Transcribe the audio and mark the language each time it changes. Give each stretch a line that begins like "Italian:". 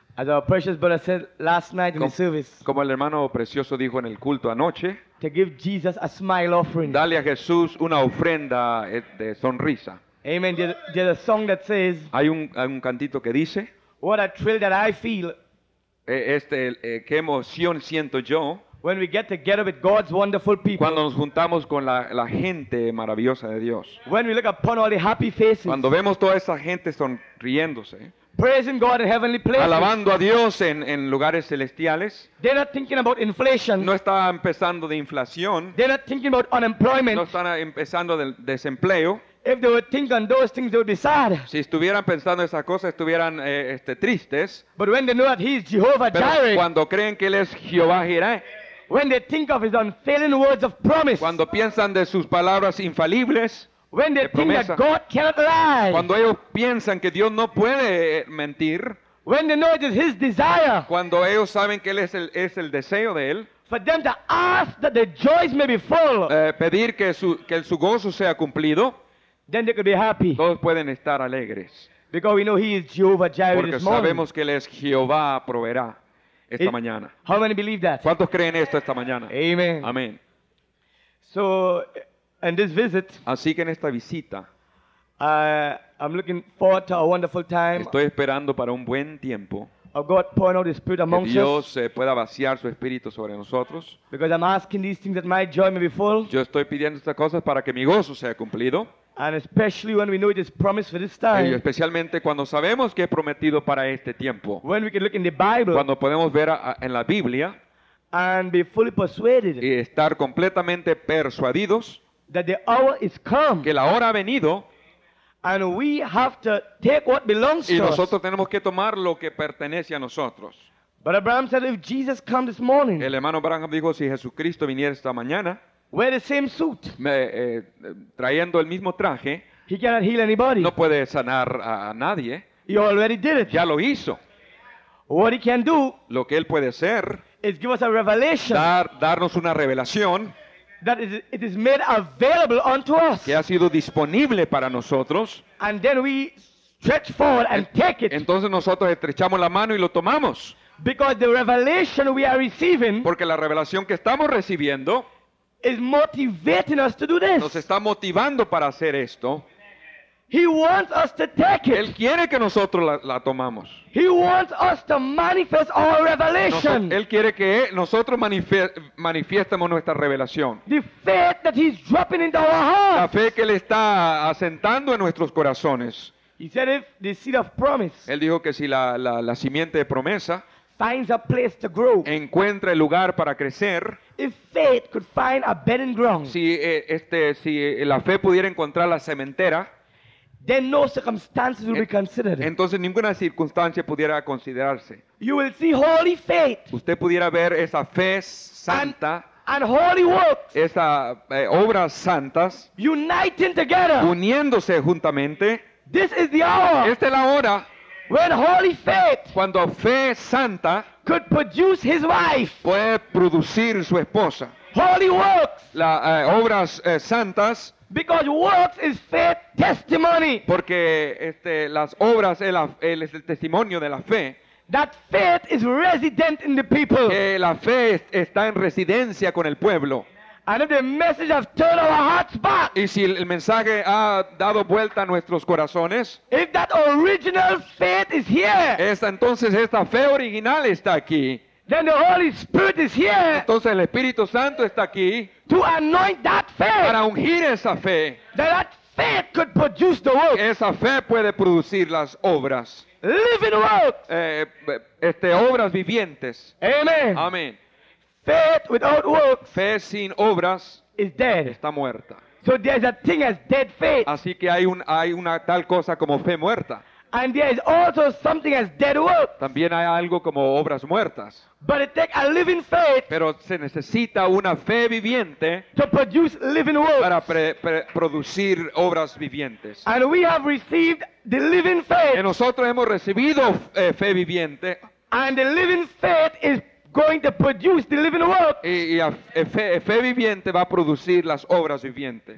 English: As our precious brother said last night in the service.
Spanish: Como el hermano precioso dijo en el culto anoche.
English: To give Jesus a smile offering.
Spanish: Dale a Jesús una ofrenda de sonrisa.
English: Amen. There's a song that says.
Spanish: Hay un cantito que dice.
English: What a thrill that I feel.
Spanish: Qué emoción siento yo.
English: When we get together with God's wonderful people.
Spanish: Cuando nos juntamos con la gente maravillosa de Dios.
English: When we look upon all the happy faces.
Spanish: Cuando vemos toda esa gente sonriéndose.
English: Praising God in heavenly places.
Spanish: Alabando a Dios en lugares celestiales.
English: They're not thinking about inflation.
Spanish: No está empezando de inflación.
English: They're not thinking about unemployment.
Spanish: No están empezando del desempleo.
English: If they were thinking those things, they would be sad.
Spanish: Si estuvieran pensando esas cosas, estuvieran tristes.
English: But when they know that He is Jehovah Jireh.
Spanish: Pero cuando creen que él es Jehová Jireh.
English: When they think of His unfailing words of promise.
Spanish: Cuando piensan de sus palabras infalibles.
English: When they think
Spanish: promesa.
English: That God cannot lie.
Spanish: Cuando ellos piensan que Dios no puede mentir.
English: When they know it is His desire.
Spanish: Cuando ellos saben que él es el deseo de él.
English: For them to ask that their joys may be full.
Spanish: Pedir que su gozo sea cumplido.
English: Then they could be happy.
Spanish: Todos pueden estar alegres.
English: Because we know He is Jehovah Jireh.
Spanish: Porque sabemos que él es Jehová proveerá esta mañana.
English: How many believe that?
Spanish: ¿Cuántos creen esto esta mañana?
English: Amen.
Spanish: Amén.
English: So. And this visit,
Spanish: así que en esta visita,
English: I'm looking forward to a wonderful time.
Spanish: Estoy esperando para un buen tiempo.
English: Of God pouring out His Spirit amongst us.
Spanish: Que Dios pueda vaciar su espíritu sobre nosotros.
English: Because I'm asking these things that my joy may be full.
Spanish: Yo estoy pidiendo estas cosas para que mi gozo sea cumplido.
English: And especially when we know it is promised for this time.
Spanish: Y especialmente cuando sabemos que es prometido para este tiempo.
English: When we can look in the Bible.
Spanish: Cuando podemos ver en la Biblia.
English: and be fully persuaded.
Spanish: Y estar completamente persuadidos.
English: That the hour is come.
Spanish: Que la hora ha venido.
English: And we have to take what belongs to us.
Spanish: Y nosotros tenemos que tomar lo que pertenece a nosotros.
English: But Abraham said, if Jesus come this morning.
Spanish: El hermano Abraham dijo, si Jesucristo viniera esta mañana.
English: Wear the same suit.
Spanish: Trayendo el mismo traje.
English: He cannot heal anybody.
Spanish: No puede sanar a nadie.
English: He already did it.
Spanish: Ya lo hizo.
English: What he can do.
Spanish: Lo que él puede hacer.
English: Is give us a revelation.
Spanish: Darnos una revelación.
English: That it is made available unto us.
Spanish: Que ha sido disponible para nosotros.
English: And then we stretch forward and take it.
Spanish: Entonces nosotros estrechamos la mano y lo tomamos.
English: Because the revelation we are receiving.
Spanish: Porque la revelación que estamos recibiendo.
English: Is motivating us to do this.
Spanish: Nos está motivando para hacer esto.
English: He wants us to take it.
Spanish: Él quiere que nosotros la tomamos.
English: He wants us to manifest our revelation.
Spanish: Él quiere que nosotros manifiestemos nuestra revelación.
English: The faith that he's dropping into our hearts.
Spanish: La fe que él está asentando en nuestros corazones.
English: He said if the seed of promise.
Spanish: Él dijo que si la simiente de promesa.
English: Finds a place to grow.
Spanish: Encuentra el lugar para crecer.
English: If faith could find a bedding ground.
Spanish: Si la fe pudiera encontrar la cementera.
English: Then no circumstances will be considered.
Spanish: Entonces ninguna circunstancia pudiera considerarse.
English: You will see holy faith.
Spanish: Usted pudiera ver esa fe santa.
English: And holy works.
Spanish: Esa obras santas.
English: Uniting together.
Spanish: Uniéndose juntamente.
English: This is the hour.
Spanish: Esta es la hora.
English: When holy faith.
Spanish: Cuando fe santa.
English: Could produce his wife.
Spanish: Puede producir su esposa.
English: Holy works.
Spanish: Las obras santas.
English: Because works is faith testimony.
Spanish: Porque las obras es el testimonio de la fe.
English: That faith is resident in the people.
Spanish: Que la fe está en residencia con el pueblo.
English: And if the message has turned our hearts back.
Spanish: Y si el mensaje ha dado vuelta a nuestros corazones.
English: If that original faith is here.
Spanish: Entonces esta fe original está aquí.
English: Then the Holy Spirit is here.
Spanish: Entonces el Espíritu Santo está aquí.
English: To anoint that faith.
Spanish: Para ungir esa fe.
English: That faith could produce the work.
Spanish: Esa fe puede producir las obras.
English: Living works.
Spanish: Obras vivientes.
English: Amen.
Spanish: Amen.
English: Faith without works.
Spanish: Fe sin obras.
English: Is dead.
Spanish: Está muerta.
English: So there's a thing as dead faith.
Spanish: Así que hay una tal cosa como fe muerta.
English: And there is also something as dead work.
Spanish: También hay algo como obras muertas.
English: But it takes a living faith.
Spanish: Pero se necesita una fe viviente.
English: To produce living works.
Spanish: Para producir obras vivientes.
English: And we have received the living faith.
Spanish: Y nosotros hemos recibido fe viviente.
English: And the living faith is going to produce the living work.
Spanish: Y fe viviente va a producir las obras vivientes.